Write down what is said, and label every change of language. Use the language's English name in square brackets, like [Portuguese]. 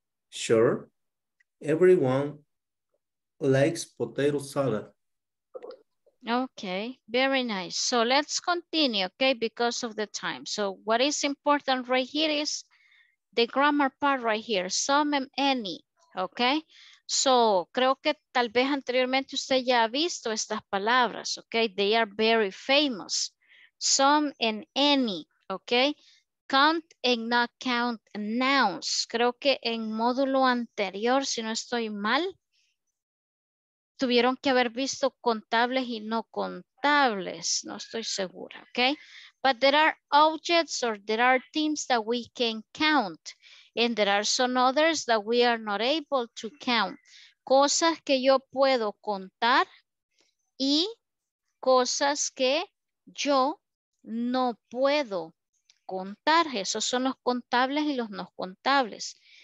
[English] Sure, everyone likes potato salad. Okay, very nice. So let's continue, okay, because of the time. So what is important right here is the grammar part right here, some and any, okay? [Spanish] So, creo que tal vez anteriormente usted ya ha visto estas palabras, okay? [English] They are very famous. Some and any, okay? Count and not count nouns. [Spanish] Creo que en módulo anterior, si no estoy mal, tuvieron que haber visto contables y no contables. No estoy segura, okay? [English] But there are objects or there are things that we can count. And there are some others that we are not able to count. [Spanish] Cosas que yo puedo contar y cosas que yo no puedo contar. Esos son los contables y los no contables.